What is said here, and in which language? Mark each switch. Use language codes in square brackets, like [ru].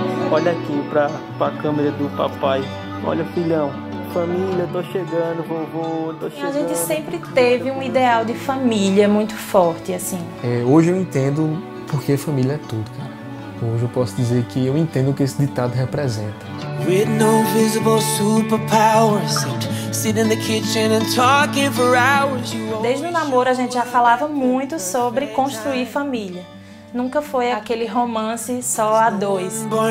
[pt] Olha aqui pra, pra câmera do papai. Olha, filhão, família, tô chegando, vovô, tô chegando. A gente sempre teve um ideal de família muito forte, assim. É, hoje eu entendo porque família é tudo, cara. Hoje eu posso dizer que eu entendo o que esse ditado representa. [en] With no visible superpowers, sit in the kitchen and talking for hours. [pt] Desde o namoro a gente já falava muito sobre construir família. Nunca foi aquele romance só a dois.